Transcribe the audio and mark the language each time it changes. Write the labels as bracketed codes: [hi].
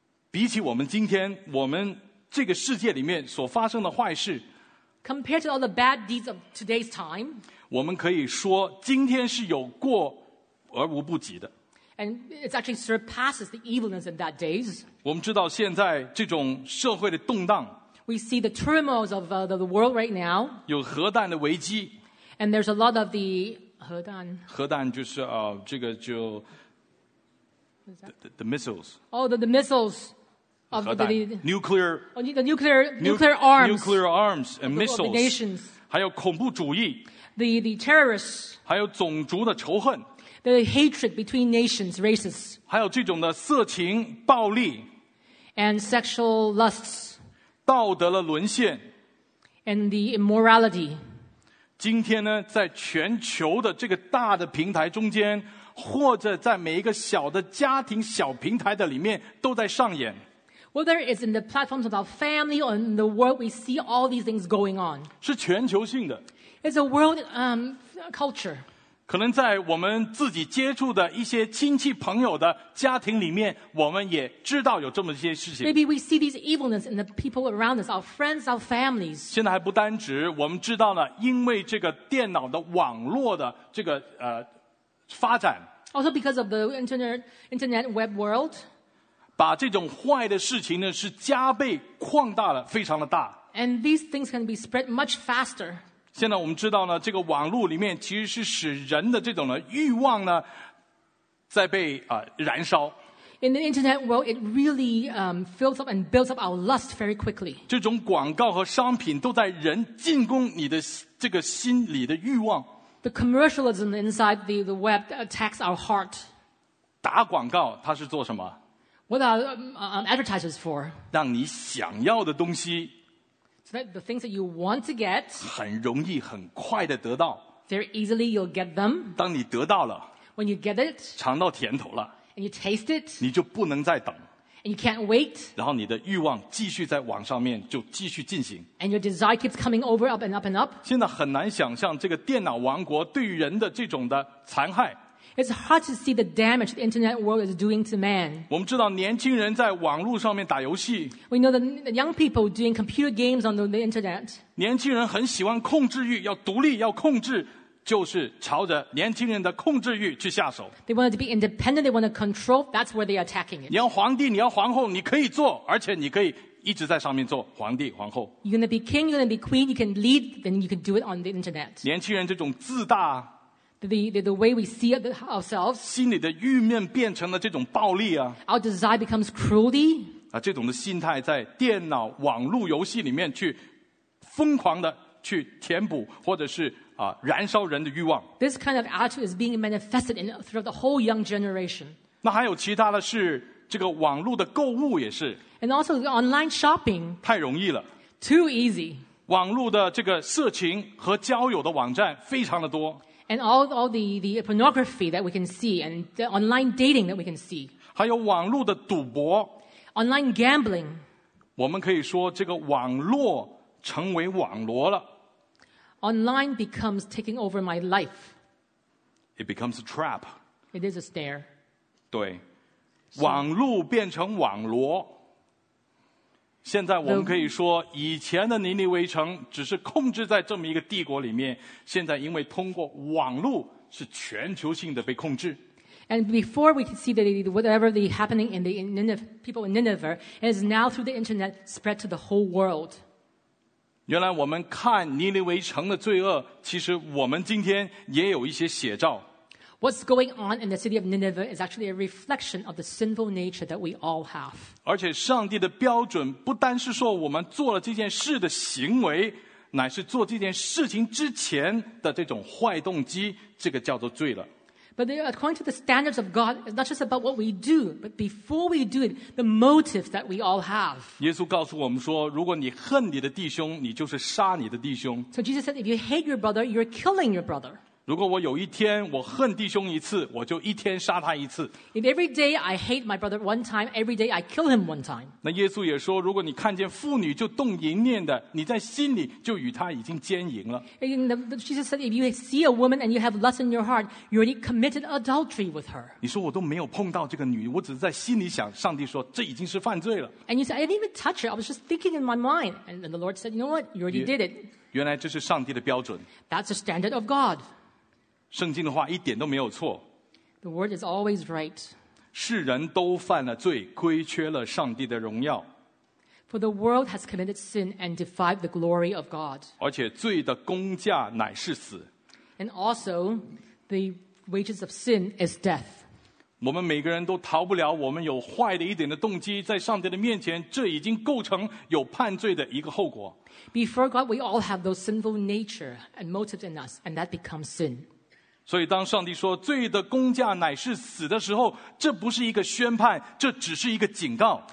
[zh] 比起我们今天，我们这个世界里面所发生的坏事 [en] Compared to all the bad deeds of today's time. [zh] 我们可以说今天是有过而无不及的 [en] And it actually surpasses the evilness in that days. [zh] 我们知道现在这种社会的动荡 [en] We see the turmoils of the world right now. [zh] 有核弹的危机。 [en] And there's a lot of the 核弹。 [zh] 核弹就是这个就 [en] the missiles. Oh, the missiles of the nuclear. Oh, the nuclear arms. Nuclear arms and missiles. Nations. [zh] 还有恐怖主义。 [en] The terrorists. [zh] 还有种族的仇恨。 [en] The hatred between nations, races. [zh] 还有这种的色情暴力。 [en] And sexual lusts. [zh] 道德的沦陷 [en] and the immorality. [zh] 今天呢，在全球的这个大的平台中间，或者在每一个小的家庭、小平台的里面，都在上演。 [en] Whether it's in the platforms of our family or in the world, we see all these things going on. [zh] 是全球性的。 [en] It's a world culture. [zh] 可能在我们自己接触的一些亲戚朋友的家庭里面，我们也知道有这么一些事情。 [en] Maybe we see these evilness in the people around us, our friends, our families. [zh] 现在还不单止，我们知道了，因为这个电脑的网络的这个发展。 [en] Also because of the internet web world. [zh] 把这种坏的事情呢，是加倍扩大了，非常的大。 [en] And these things can be spread much faster. [zh] 现在我们知道呢，这个网络里面其实是使人的这种的欲望呢，在被燃烧。 [en] In the internet world, it really fills up and builds up our lust very quickly. [zh] 这种广告和商品都在人进攻你的这个心理的欲望。 [en] The commercialism inside the web attacks our heart. [zh] 打广告它是做什么 [en] ？What are advertisers for? [zh] 让你想要的东西。 [en] So that the things that you want to get, [zh] 很容易很快的得到。 [en] Very easily you'll get them. [zh] 当你得到了 [en] ，when you get it, [zh] 尝到甜头了 [en] ，and you taste it, [zh] 你就不能再等 [en] ，and you can't wait. [zh] 然后你的欲望继续在网上面就继续进行 [en] ，and your desire keeps coming over up and up and up. [zh] 现在很难想象这个电脑王国对于人的这种的残害。 [en] It's hard to see the damage the internet world is doing to man. [zh] 我们知道年轻人在网络上面打游戏。 [en] We know the young people doing computer games on the internet. [zh] 年轻人很喜欢控制欲，要独立，要控制，就是朝着年轻人的控制欲去下手。 [en] They want to be independent. They want to control. That's where they're attacking it. [zh] 你要皇帝，你要皇后，你可以做，而且你可以一直在上面做皇帝、皇后。 [en] You're going to be king. You're going to be queen. You can lead. Then you can do it on the internet. [zh] 年轻人这种自大。 [en] The way we see ourselves, [zh] 心里的欲念变成了这种暴力啊 [en] ，our desire becomes cruelty [zh] 啊，这种的心态在电脑、网络游戏里面去疯狂的去填补，或者是燃烧人的欲望。 [en] This kind of attitude is being manifested throughout the whole young generation. [zh] 那还有其他的是这个网络的购物也是 [en] ，and also online shopping [zh] 太容易了 [en] ，too easy。 [zh] 网络的这个色情和交友的网站非常的多。 [en] And all the pornography that we can see and the online dating that we can see. [zh] 还有网络的赌博。 [en] Online gambling. [zh] 我们可以说这个网络成为网罗了。 [en] Online becomes taking over my life. It becomes a trap. It is a snare. [zh] 对。网络变成网罗。现在我们可以说以前的尼尼微城只是控制在这么一个帝国里面，现在因为通过网络是全球性的被控制。 [en] And before we could see that whatever the happening in the people in Nineveh is now through the internet spread to the whole world. [zh] 原来我们看尼尼微城的罪恶，其实我们今天也有一些写照。 [en] What's going on in the city of Nineveh is actually a reflection of the sinful nature that we all have. [zh] 而且上帝的标准不单是说我们做了这件事的行为，乃是做这件事情之前的这种坏动机，这个叫做罪了。 [en] But according to the standards of God, it's not just about what we do, but before we do it, the motive that we all have. [zh] 耶稣告诉我们说，如果你恨你的弟兄，你就是杀你的弟兄。 [en] So Jesus said, if you hate your brother, you're killing your brother. [zh] 如果我有一天我恨弟兄一次，我就一天杀他一次。 [en] If every day I hate my brother one time, every day I kill him one time. [zh] 那耶稣也说，如果你看见妇女就动淫念的，你在心里就与他已经奸淫了。 [en] Jesus said, if you see a woman and you have lust in your heart, you already committed adultery with her. [zh] 你说我都没有碰到这个女，我只是在心里想，上帝说这已经是犯罪了。 [en] And you said, I didn't even touch her, I was just thinking in my mind. And the Lord said, you know what, you already did it. [zh] 原来这是上帝的标准。 [en] That's the standard of God. [zh] 圣经的话一点都没有错。 [en] The word is always right. [zh] 世人都犯了罪，亏缺了上帝的荣耀。 [en] For the world has committed sin and defied the glory of God. [zh] 而且罪的工价乃是死。 [en] And also, the wages of sin is death. [zh] 我们每个人都逃不了我们有坏的一点的动机，在上帝的面前，这已经构成有判罪的一个后果。 [en] Before God, we all have those sinful nature and motives in us, and that becomes sin. [zh] 所以当上帝说罪的工价乃是死的时候，这不是一个宣判，这只是一个警告。